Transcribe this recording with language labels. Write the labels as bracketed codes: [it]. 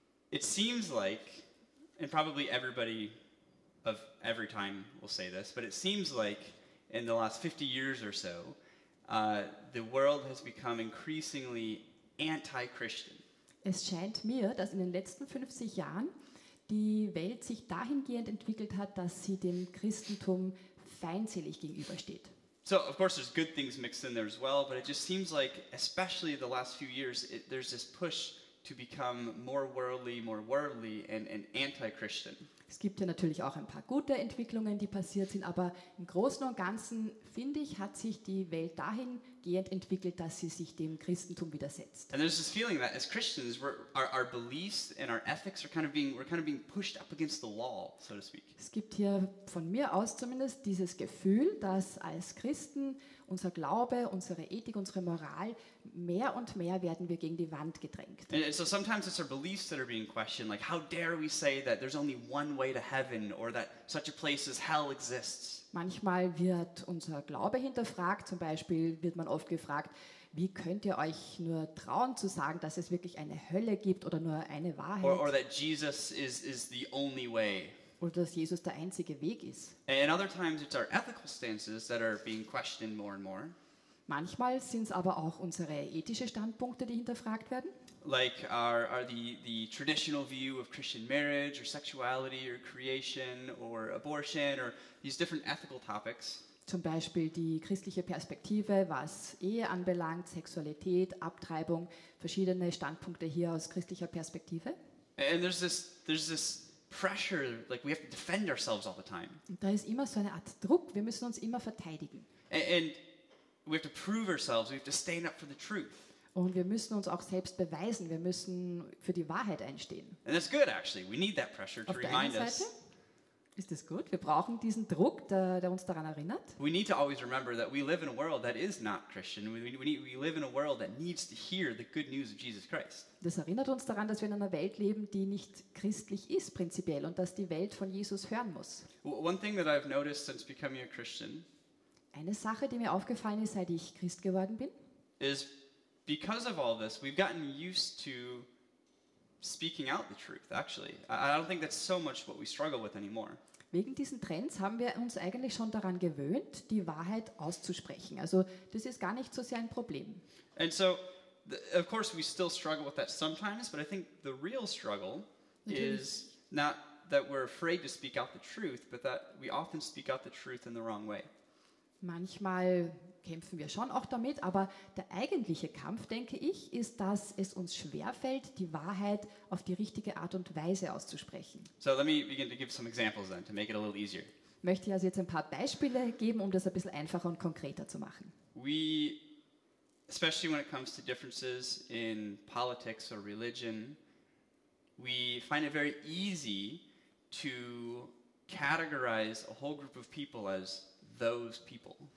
[en] It seems like, and probably everybody of every time we'll say this, but it seems like in the last 50 years or so, the world has become increasingly anti-Christian. [de] Es scheint mir, dass in den letzten 50 Jahren die Welt sich dahingehend entwickelt hat, dass sie dem Christentum feindselig gegenübersteht. [en] So, of course, there's good things mixed in there as well, but it just seems like, especially the last few years, there's this push to become more worldly, and anti-Christian. [de] Es gibt ja natürlich auch ein paar gute Entwicklungen, die passiert sind, aber im Großen und Ganzen, finde ich, hat sich die Welt dahingehend entwickelt, dass sie sich dem Christentum widersetzt. [en] And there's this feeling that as Christians, our beliefs and our ethics are kind of being pushed up against the wall, so to speak. [de] Es gibt hier von mir aus zumindest dieses Gefühl, dass als Christen unser Glaube, unsere Ethik, unsere Moral, mehr und mehr werden wir gegen die Wand gedrängt. [en] And so sometimes it's our beliefs that are being questioned, like how dare we say that there's only one way to heaven or that such a place as hell exists. [de] Manchmal wird unser Glaube hinterfragt, zum Beispiel wird man oft gefragt, wie könnt ihr euch nur trauen zu sagen, dass es wirklich eine Hölle gibt oder nur eine Wahrheit. [en] Or that Jesus is the only way. [de] Oder dass Jesus der einzige Weg ist. [en] And other times it's our ethical stances that are being questioned more and more. [de] Manchmal sind es aber auch unsere ethischen Standpunkte, die hinterfragt werden. [en] Like are the traditional view of Christian marriage or sexuality or creation or abortion or these different ethical topics. [de] Zum Beispiel die christliche Perspektive, was Ehe anbelangt, Sexualität, Abtreibung, verschiedene Standpunkte hier aus christlicher Perspektive. [en] And there's this pressure, like we have to defend ourselves all the time. [de] Und da ist immer so eine Art Druck, wir müssen uns immer verteidigen. [en] And we have to prove ourselves, we have to stand up for the truth. [de] Und wir müssen uns auch selbst beweisen. Wir müssen für die Wahrheit einstehen. [en] And that's good, actually. We need that pressure to remind us. [de] Ist das gut? Wir brauchen diesen Druck, der uns daran erinnert. [en] We need to always remember that we live in a world that is not Christian. We live in a world that needs to hear the good news of Jesus Christ. [de] Das erinnert uns daran, dass wir in einer Welt leben, die nicht christlich ist prinzipiell und dass die Welt von Jesus hören muss. [en] One thing that I've noticed since becoming a Christian. [de] Eine Sache, die mir aufgefallen ist, seit ich Christ geworden bin, [en] is because of all this, we've gotten used to speaking out the truth, actually. I don't think that's so much what we struggle with anymore. [de] Wegen diesen Trends haben wir uns eigentlich schon daran gewöhnt, die Wahrheit auszusprechen. Also das ist gar nicht so sehr ein Problem. [en] And so, of course, we still struggle with that sometimes, but I think the real struggle is not that we're afraid to speak out the truth, but that we often speak out the truth in the wrong way. [de] Manchmal kämpfen wir schon auch damit, aber der eigentliche Kampf, denke ich, ist, dass es uns schwerfällt, die Wahrheit auf die richtige Art und Weise auszusprechen. [en] So, let me begin to give some examples then, to make it a little easier. [de] Möchte ich also jetzt ein paar Beispiele geben, um das ein bisschen einfacher und konkreter zu machen. [en] We, especially when it comes to differences in politics or religion, we find it very easy to categorize a whole group of people as those people.